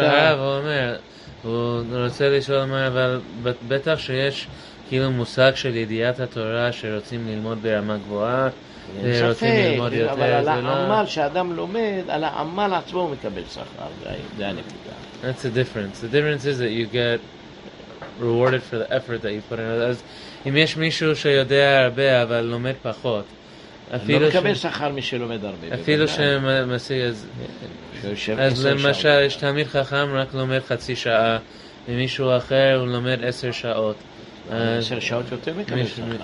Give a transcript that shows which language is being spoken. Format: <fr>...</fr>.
<he>כן, כשחרה, הוא אומר, הוא רוצה לשאול מה, אבל בטח שיש... כאילו מושג של ידיעת התורה שרוצים ללמוד ברמה גבוהה, רוצים ללמוד יותר, אבל על העמל שאדם לומד, על העמל עצמו הוא מקבל שכר, זה הנקודה.</he> <en>That's the difference. The difference is that you get rewarded for the effort that you put in.</en> <he>אז אם יש מישהו שיודע הרבה אבל לומד פחות, לא מקבל שכר מי שלומד הרבה. אפילו שמשיג, אז למשל יש תלמיד חכם רק לומד 0.5 שעה, ומישהו אחר הוא לומד 10 שעות. 10 שעות יותר מקבל שכר.</he>